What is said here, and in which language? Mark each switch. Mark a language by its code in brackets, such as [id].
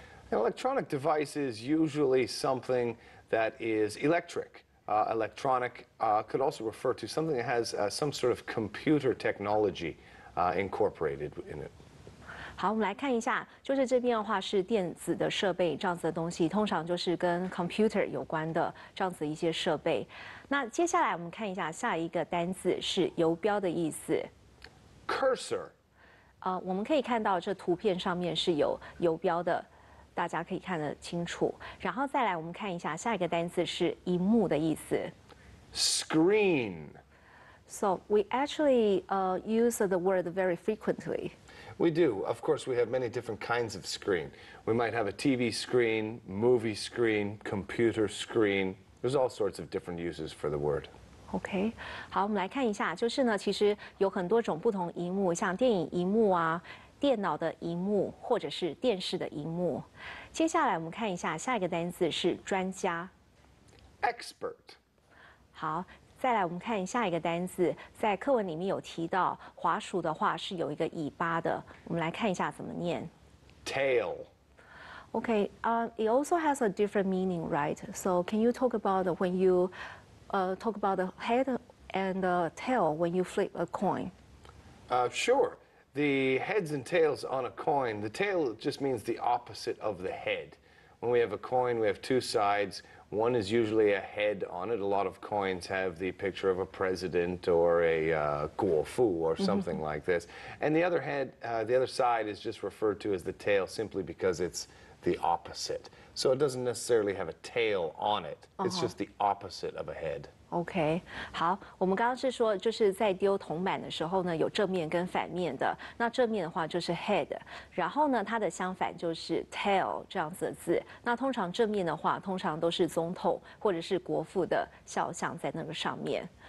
[en] An electronic device is usually something that is electric. Electronic could also refer to something that has some sort of computer technology incorporated in it. [zh] 好，我们来看一下，就是这边的话是电子的设备这样子的东西，通常就是跟 computer 有关的这样子一些设备。那接下来我们看一下下一个单字是游标的意思。 [en] Cursor. [zh] 我们可以看到这图片上面是有游标的，大家可以看得清楚。然后再来我们看一下下一个单词是荧幕的意思。 [en] Screen. So we actually use the word very frequently. We do. Of course, we have many different kinds of screen. We might have a TV screen, movie screen, computer screen. There's all sorts of different uses for the word. [zh] OK, 好，我们来看一下，就是呢，其实有很多种不同荧幕，像电影荧幕啊，电脑的荧幕，或者是电视的荧幕。接下来我们看一下下一个单字是专家。 [en] Expert. [zh] 好，再来我们看下一个单字，在课文里面有提到滑鼠的话是有一个尾巴的，我们来看一下怎么念。 [en] tail. Okay, it also has a different meaning, right? So can you talk about when you talk about the head and the tail when you flip a coin? Sure. The heads and tails on a coin, the tail just means the opposite of the head. When we have a coin, we have two sides. One is usually a head on it. A lot of coins have the picture of a president or a guofu or something like this. And the other head, the other side is just referred to as the tail simply because it's the opposite. So it doesn't necessarily have a tail on it. It's just the opposite of a head. [zh] OK, 好，我们刚刚是说就是在丢铜板的时候呢，有正面跟反面的。那正面的话就是 head， 然后呢它的相反就是 tail 这样子的字。那通常正面的话，通常都是总统或者是国父的肖像在那个上面。